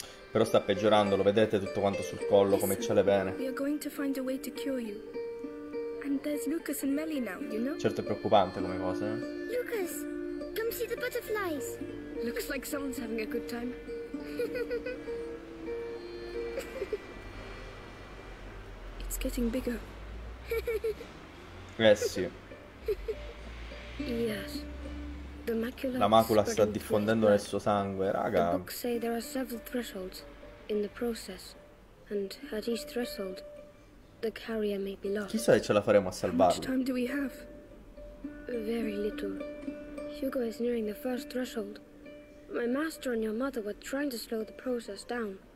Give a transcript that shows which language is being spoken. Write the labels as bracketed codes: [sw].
[it] Però sta peggiorando, lo vedete tutto quanto sul collo, come c'è le vene. [en] We are going to find a way to cure you. And there's Lucas and Melly now, you know? [it] Certo, è preoccupante come cosa, eh? [en] Lucas, come see the butterflies. Looks like someone's having a good time. It's getting bigger. Yes, sì. Yes. [it] La macula sta diffondendo nel suo sangue, raga. [en] The books say there are several thresholds in the process, and at each threshold, the carrier may be lost. [it] Chissà se ce la faremo a salvarlo. [en] How much time do we have? Very little. Hugo is nearing the first threshold. My master and your mother were trying to slow the process down.